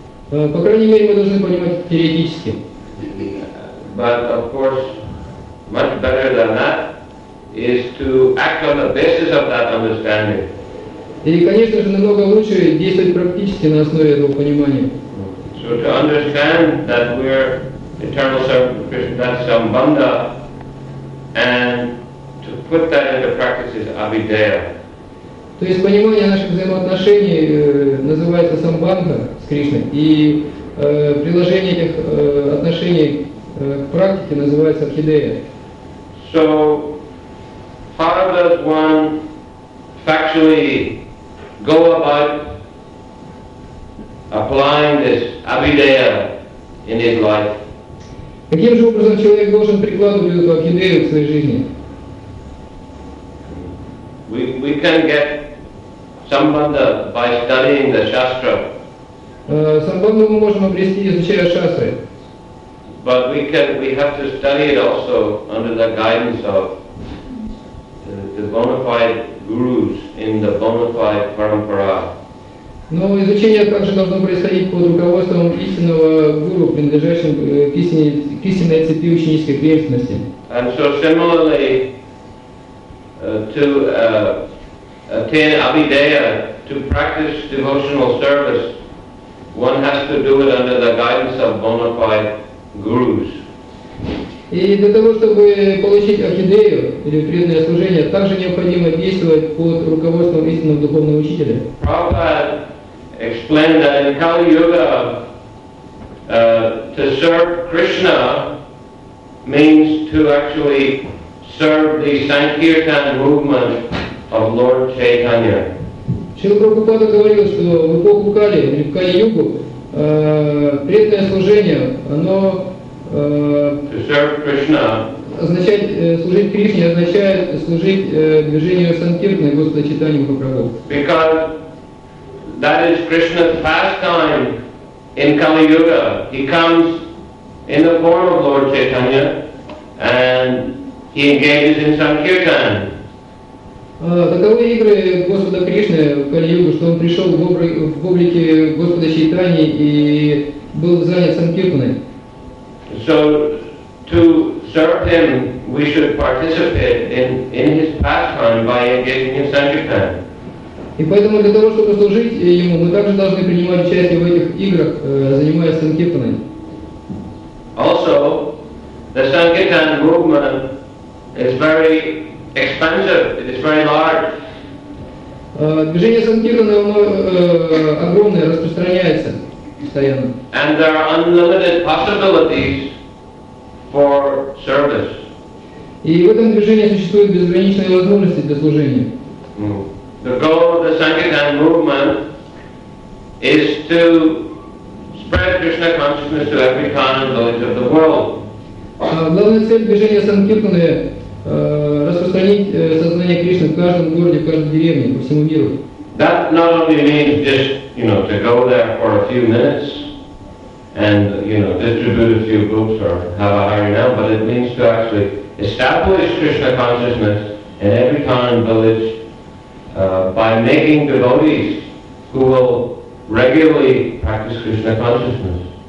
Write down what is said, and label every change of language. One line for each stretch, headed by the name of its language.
Russian: По крайней мере, мы должны понимать это теоретически.
English: But of course, much better than that is to act on the basis of that understanding.
Russian: И, конечно же, намного лучше действовать практически на основе этого понимания.
English: So to understand that we are eternal servant of Krishna, that's sambandha. And to put that into practice is avideya.
Russian: То есть понимание наших взаимоотношений называется самбанда с Кришной, и приложение этих отношений к практике называется орхидея.
English: So, how does one factually go about applying this avideya in his life?
Russian: Каким же образом человек должен прикладывать эту орхидею в своей жизни?
English: We can get sambandha by studying the shastra.
Russian: Sambandha мы можем обрести, изучая шастры.
English: But we have to study it also under the guidance of the bona fide gurus in the bona fide parampara.
Russian: Но изучение также должно происходить под руководством истинного гуру, принадлежащего к истинной цепи ученической преемственности.
English: And so similarly, to attain avideya, to practice devotional service, one has to do it under the guidance of bona fide gurus.
Russian: И для того, чтобы получить орхидею или преданное служение, также необходимо действовать под руководством истинного духовного учителя.
English: Prabhupada explained that in Kali Yuga, to serve Krishna means to actually serve the Sankirtan movement of Lord Chaitanya.
Russian: Шрила Прабхупада говорил, что в эпоху Кали, или в Кали-Югу, преданное служение, оно означает служить Кришне, означает служить движению Санкиртаны, Господа Чайтаньи Махапрабху.
English: Because that is Krishna's pastime in Kali-Yuga. He comes in the form of Lord Chaitanya and he engages in Sankirtan.
Russian: Таковы игры Господа Кришны в Кали-Югу, что он пришел в облике Господа Чайтаньи и был занят Санкиртаной.
English: So to serve him, we should participate in his pastime by engaging in Sankirtan.
Russian: И поэтому для того, чтобы служить ему, мы также должны принимать участие в этих играх, занимаясь Санкиртаной.
English: Also, the Sankirtan movement is very expansive, it is very large.
Russian: Движение Санкиртаны, оно огромное, распространяется постоянно.
English: And there are unlimited possibilities for service.
Russian: И в этом движении существуют безграничные возможности для служения.
English: The goal of the Sankirtan movement is to spread Krishna consciousness to every town and village of the world.
Russian: Главная цель движения Санкиртаны распространить сознание Кришны в каждом городе, в каждой деревне, по всему миру.
English: That not only means just, you know, to go there for a few minutes and, you know, distribute a few books or have a harinam, but it means to actually establish Krishna consciousness in every town and village by making devotees who will regularly practice Krishna consciousness.